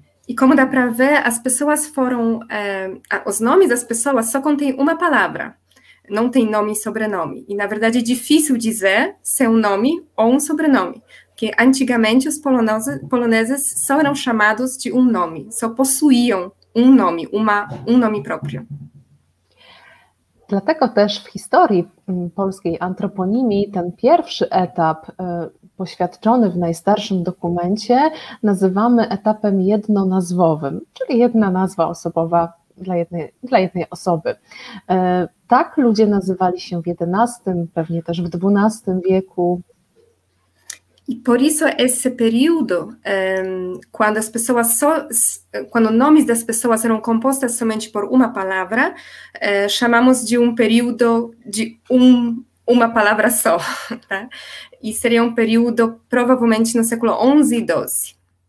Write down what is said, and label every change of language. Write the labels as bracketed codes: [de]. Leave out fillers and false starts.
[pt] e como dá para ver, as pessoas foram os nomes das pessoas só contêm uma palavra. não tem nome e sobrenome. E, na verdade, é difícil dizer seu nome ou um sobrenome. Porque, antigamente, os poloneses só eram chamados de um nome. Só possuíam um nome, um nome próprio. [pl] Dlatego też w historii polskiej antroponimii ten pierwszy etap poświadczony w najstarszym dokumencie nazywamy etapem jednonazwowym, czyli jedna nazwa osobowa dla jednej osoby. Tak ludzie nazywali się w XI, pewnie też w XII wieku. [pt] I por isso esse período, quando as pessoas só, quando nomes das pessoas eram compostas somente por uma palavra, chamamos de um período de uma palavra só, tá? E seria um período provavelmente no século 11 e 12.